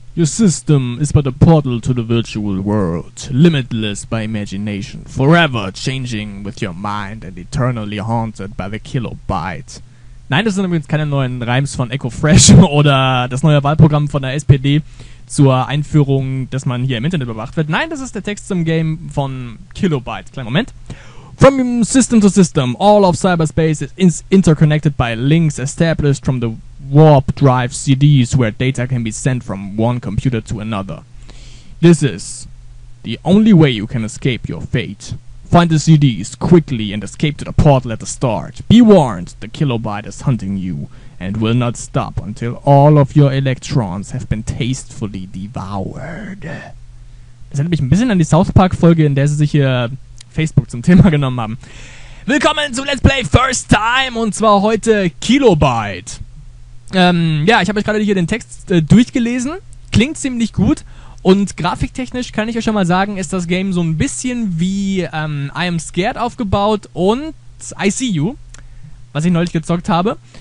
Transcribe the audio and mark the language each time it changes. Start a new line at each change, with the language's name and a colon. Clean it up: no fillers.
English: Your system is but a portal to the virtual world, limitless by imagination, forever changing with your mind and eternally haunted by the kilobyte.
German: Nein, das sind übrigens keine neuen Rhymes von Echo Fresh oder das neue Wahlprogramm von der SPD zur Einführung, dass man hier im Internet überwacht wird. Nein, das ist der Text zum Game von Kilobyte. Kleinen Moment.
English: From system to system, all of cyberspace is interconnected by links established from the warp drive CDs where data can be sent from one computer to another. This is the only way you can escape your fate. Find the CDs quickly and escape to the portal at the start. Be warned, the kilobyte is hunting you and will not stop until all of your electrons have been tastefully devoured.
German: Das erinnert mich ein bisschen an die South Park Folge, in der sie sich hier Facebook zum Thema genommen haben. Willkommen zu Let's Play First Time und zwar heute Kilobyte. Ja, ich habe euch gerade hier den Text durchgelesen. Klingt ziemlich gut. Und grafiktechnisch kann ich euch schon mal sagen, ist das Game so ein bisschen wie I Am Scared aufgebaut und I See You, was ich neulich gezockt habe.